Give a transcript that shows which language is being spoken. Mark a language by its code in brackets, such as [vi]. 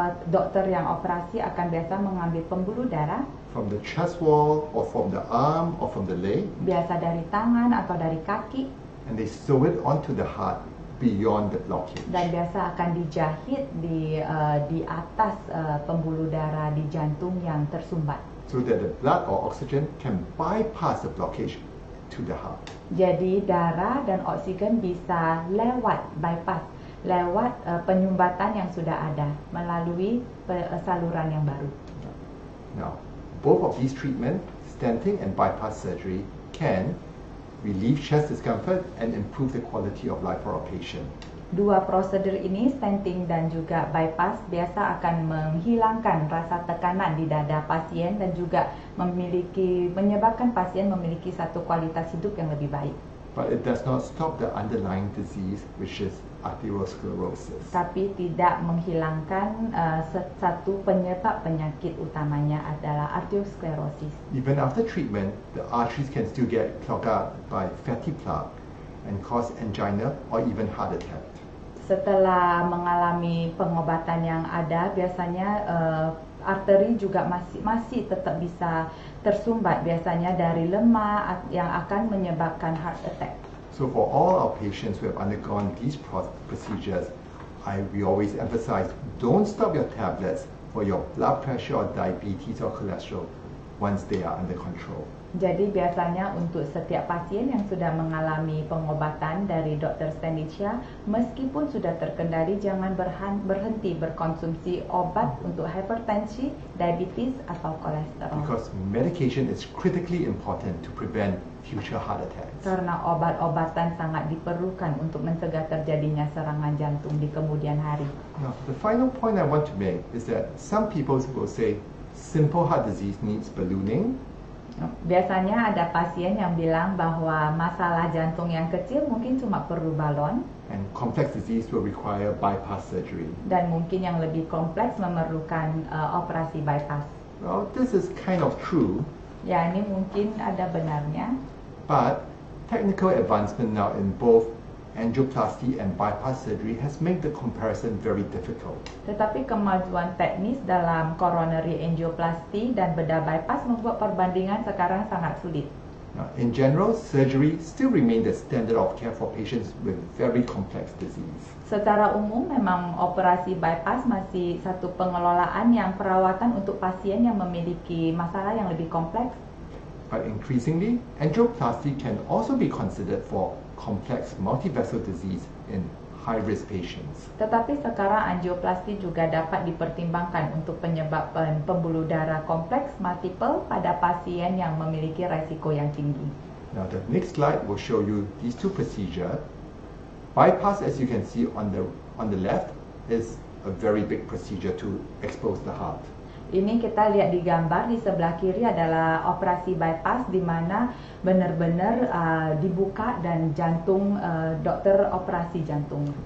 [id] Dokter yang operasi akan biasa mengambil pembuluh darah. [en] From the chest wall, or from the arm, or from the leg. [id] Biasa dari tangan atau dari kaki. [en] And they sew it onto the heart. Beyond the blockage. [id] Dan biasa akan dijahit di atas pembuluh darah di jantung yang tersumbat. [en] So that the blood or oxygen can bypass the blockage to the heart. [id] Jadi darah dan oksigen bisa lewat bypass lewat penyumbatan yang sudah ada melalui saluran yang baru. [en] Now, both of these treatments, stenting and bypass surgery, can relieve chest discomfort and improve the quality of life for our patient. [id] Dua prosedur ini, stenting dan juga bypass, biasa akan menghilangkan rasa tekanan di dada pasien dan juga menyebabkan pasien memiliki satu kualitas hidup yang lebih baik. [en] But it does not stop the underlying disease, which is atherosclerosis. [id] Tapi tidak menghilangkan satu penyebab penyakit utamanya adalah atherosclerosis. [en] Even after treatment, the arteries can still get clogged up by fatty plaque and cause angina or even heart attack. [id] Setelah mengalami pengobatan yang ada, biasanya arteri juga masih tetap bisa tersumbat biasanya dari lemak yang akan menyebabkan heart attack. [en] So for all our patients who have undergone these procedures, we always emphasize, don't stop your tablets for your blood pressure or diabetes or cholesterol once they are under control. [id] Jadi biasanya untuk setiap pasien yang sudah mengalami pengobatan dari Dr. Stanisha, meskipun sudah terkendali, jangan berhenti berkonsumsi obat untuk hipertensi, diabetes, atau kolesterol. [en] Because medication is critically important to prevent future heart attacks. [id] Karena obat-obatan sangat diperlukan untuk mencegah terjadinya serangan jantung di kemudian hari. [en] Now, the final point I want to make is that some people will say simple heart disease needs ballooning. [id] Biasanya ada pasien yang bilang bahwa masalah jantung yang kecil mungkin cuma perlu balon. [en] And complex disease will require bypass surgery. [id] Dan mungkin yang lebih kompleks memerlukan operasi bypass. [en] Well, this is kind of true. [id] Ya, ini mungkin ada benarnya. [en] But technical advancement now in both angioplasty and bypass surgery has made the comparison very difficult. [id] Tetapi kemajuan teknis dalam coronary angioplasty dan bedah bypass membuat perbandingan sekarang sangat sulit. [en] Now, in general, surgery still remains the standard of care for patients with very complex disease. [id] Secara umum, memang operasi bypass masih satu pengelolaan yang perawatan untuk pasien yang memiliki masalah yang lebih kompleks. [en] But increasingly, angioplasty can also be considered for complex multivessel disease in high-risk patients. [id] Tetapi sekarang angioplasty juga dapat dipertimbangkan untuk penyebab pembuluh darah kompleks multiple pada pasien yang memiliki risiko yang tinggi. [en] Now the next slide will show you these two procedures. Bypass, as you can see on the left, is a very big procedure to expose the heart. [id] Ini kita lihat di gambar di sebelah kiri adalah operasi bypass di mana benar-benar dibuka dan jantung dokter operasi jantung.